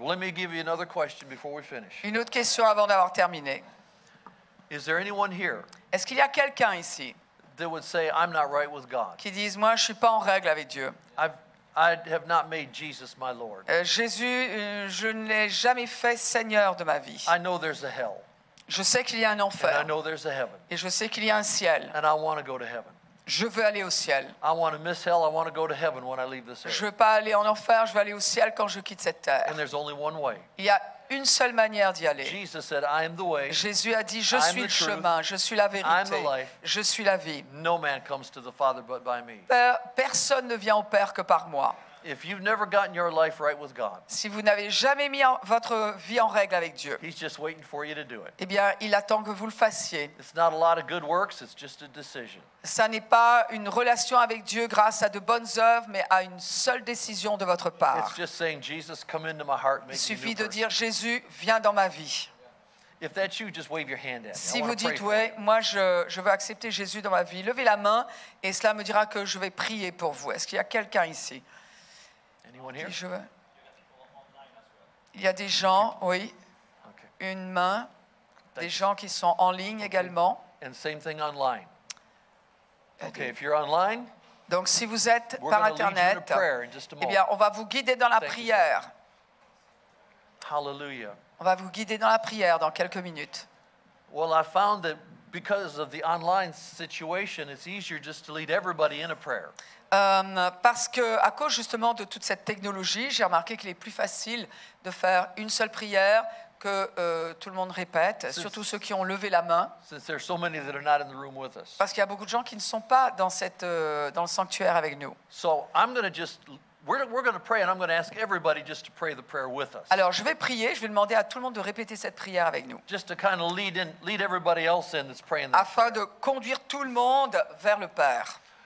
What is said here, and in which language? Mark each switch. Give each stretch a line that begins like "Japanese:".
English: Well, let me give you another question before we finish.
French: Une autre question avant d'avoir terminé.
English: Is there anyone here?
French: Est-ce qu'il y a quelqu'un ici?
English: That would say I'm not right with God.
French: Qui dise moi je suis pas en règle avec Dieu.
English: I have not made Jesus my Lord.
French: Jésus, je n'ai jamais fait Seigneur de ma vie.
English: I know there's a hell.
French: Je sais qu'il y a un enfer.
English: And I know there's a heaven.
French: Et je sais qu'il y a un ciel.
English: And I want to go to heaven.
French: Je veux aller au ciel.
English: I want to miss hell. I want to go to heaven when I leave this earth.
French: Je veux pas aller en enfer. Je veux aller au ciel quand je quitte cette terre.
English: And there's only one way.
French: Il y a une seule manière d'y aller.
English: Jesus said, "I am the way."
French: Jésus a dit, "Je suis le chemin. Je suis la vérité.
English: I am the life.
French: Je suis la vie."
English: No man comes to the Father but by me.
French: Personne ne vient au Père que par moi.
English: If you've never gotten your life right with God,
French: si vous n'avez jamais mis votre vie en règle avec Dieu,
English: he's just waiting for you to do it.
French: Eh bien, il attend que vous le fassiez.
English: It's not a lot of good works. It's just a decision.
French: Ça n'est pas une relation avec Dieu grâce à de bonnes œuvres, mais à une seule décision de votre part.
English: It's just saying, Jesus, come into my heart, make
French: il suffit
English: me new
French: de dire, Jésus, viens dans ma vie.
English: If that's you, just wave your hand at me.
French: Si vous dites, oui, moi, je veux accepter Jésus dans ma vie, levez la main et cela me dira que je vais prier pour vous. Est-ce qu'il y a quelqu'un ici?
English: Anyone here?
French: Je veux. Il y a des gens, oui. Okay. Une main.
English: Thank
French: des
English: you.
French: Gens qui sont en ligne okay. également.
English: And same thing online. Okay, if you're online,
French: donc si vous êtes par internet, eh bien on va vous guider dans la prière.
English: Hallelujah.
French: On va vous guider dans la prière dans quelques minutes.
English: Well, I found that because of the online situation, it's easier just to lead everybody in a prayer.
French: Parce que à cause justement de toute cette technologie, j'ai remarqué qu'il est plus facile de faire une seule prière que tout le monde répète, surtout ceux qui ont levé la main.
English: Since there are so many that are not in the room with us.
French: Parce qu'il y a beaucoup de gens qui ne sont pas dans cette dans le sanctuaire avec nous.
English: So I'm going to just we're going to pray and I'm going to ask everybody just to pray the prayer with us.
French: Alors je vais prier, je vais demander à tout le monde de répéter cette prière avec nous.
English: Just to kind of lead everybody else in that's praying.
French: Afin de conduire tout le monde vers le Père.